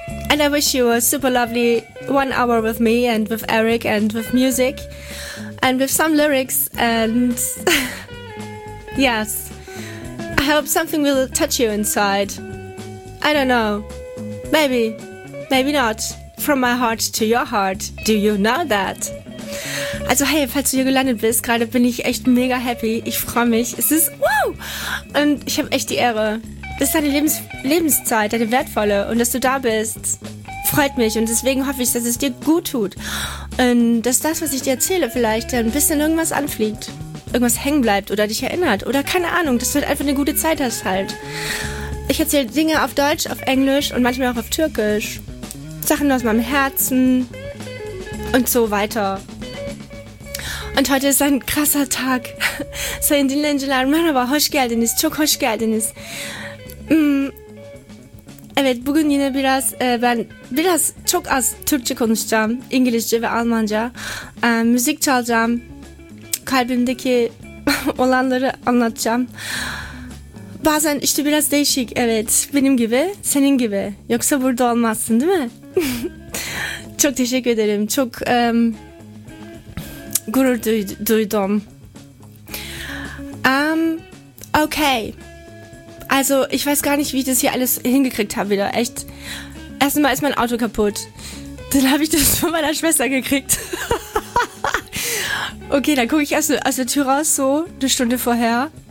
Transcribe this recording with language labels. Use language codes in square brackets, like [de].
[en] And I wish you a super lovely 1 hour with me and with Eric and with music and with some lyrics and yes, I hope something will touch you inside. I don't know, maybe not, from my heart to your heart, do you know that? [de] Also hey, falls du hier gelandet bist, gerade bin ich echt mega happy, ich freue mich, es ist wow und ich habe echt die Ehre. Das ist deine Lebenszeit, deine wertvolle. Und dass du da bist, freut mich. Und deswegen hoffe ich, dass es dir gut tut. Und dass das, was ich dir erzähle, vielleicht ein bisschen irgendwas anfliegt. Irgendwas hängen bleibt oder dich erinnert. Oder keine Ahnung, dass du halt einfach eine gute Zeit hast halt. Ich erzähle Dinge auf Deutsch, auf Englisch und manchmal auch auf Türkisch. Sachen aus meinem Herzen und so weiter. Und heute ist ein krasser Tag. So in den Ländern, man aber [tr] hoşgeldiniz, çok hoşgeldiniz. Evet, bugün yine biraz ben biraz çok az Türkçe konuşacağım, İngilizce ve Almanca. Müzik çalacağım, kalbimdeki olanları anlatacağım. Bazen işte biraz değişik, evet, benim gibi, senin gibi. Yoksa burada olmazsın, değil mi? Çok teşekkür ederim, çok gurur duydum. [en] Okay. [de] Also, ich weiß gar nicht, wie ich das hier alles hingekriegt habe wieder. Echt. Erstmal ist mein Auto kaputt. Dann habe ich das von meiner Schwester gekriegt. Okay, dann gucke ich erst aus der Tür raus, so eine Stunde vorher.